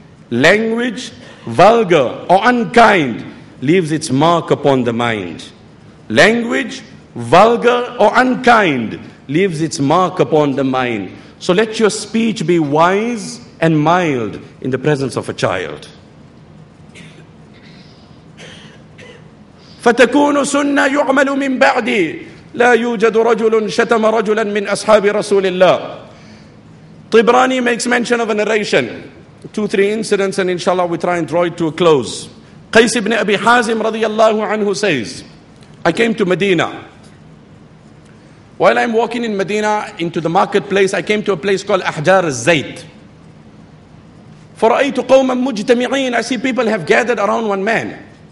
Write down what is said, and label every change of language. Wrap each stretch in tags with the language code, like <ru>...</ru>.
<en>Language, vulgar or unkind, leaves its mark upon the mind. Language, vulgar or unkind, leaves its mark upon the mind. So let your speech be wise and mild in the presence of a child.</en> <ar>فَتَكُونُ سُنَّةٌ يُعْمَلُ مِنْ بَعْدِي لَا يُوجَدُ رَجُلٌ شَتَمَ رَجُلًا مِنْ أَصْحَابِ رَسُولِ اللَّهِ</ar> <en>Tibrani makes mention of a narration. Two, three incidents, and inshallah we try and draw it to a close. Qais ibn Abi Hazim radiyallahu anhu says, I came to Medina. While I'm walking in Medina into the marketplace, I came to a place called Ahjar al-Zayt.</en> <ar>فَرَأَيْتُ قَوْمًا مُجْتَمِعِينَ</ar> <en>I see people have gathered around one man.</en>